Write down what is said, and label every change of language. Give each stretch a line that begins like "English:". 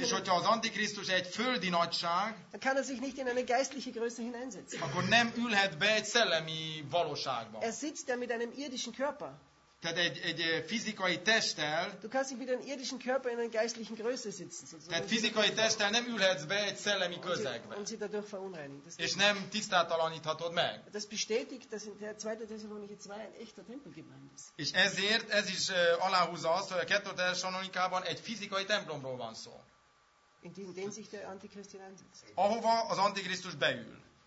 Hungarian: és hogyha az Antikrisztus egy földi nagyság,
German: dann kann er sich nicht in eine geistliche Größe hineinsetzen.
Hungarian: Akkor nem ülhet be egy szellemi valóságba.
German: Er sitzt ja mit einem irdischen Körper.
Hungarian: Tehát egy fizikai testtel.
German: Du kannst nicht mit einem irdischen Körper in einer geistlichen Größe sitzen. Sozusagen.
Hungarian: Tehát fizikai testtel nem ülhetsz be egy szellemi közegbe.
German: Und sie dadurch verunreinigt.
Hungarian: És nem tisztátalaníthatod meg.
German: Das bestätigt, dass in der 2. Thessalonicher 2 ein echter Tempelgemeinde ist.
Hungarian: És ezért ez is aláhúzza azt, hogy a 2. Thessalonikában egy fizikai templomról van szó.
German: In den sich der Antichrist hineinsetzt.
Hungarian: Ahova az Antikrisztus beül.